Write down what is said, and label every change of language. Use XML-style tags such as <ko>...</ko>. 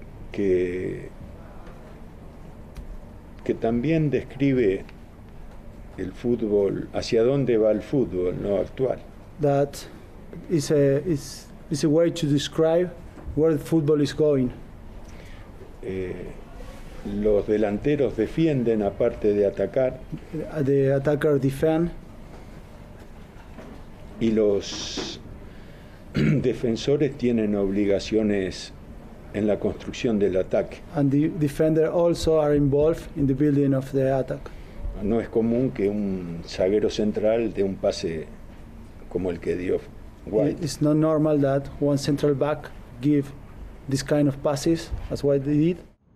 <es>Que también describe el fútbol, hacia dónde va el fútbol, no actual.</es> <en>That is a way to describe where the football is going.</en> <es>Los delanteros defienden aparte de atacar.</es> <en>The attacker defend.</en> <es>Y los defensores tienen obligaciones en la construcción del ataque.</es> <en>And the defender also are involved in the building of the attack.</en> <es>No es común que un zaguero central dé un pase como el que dio White.</es> <en>It's not normal that one central back give this kind of passes as White did.</en>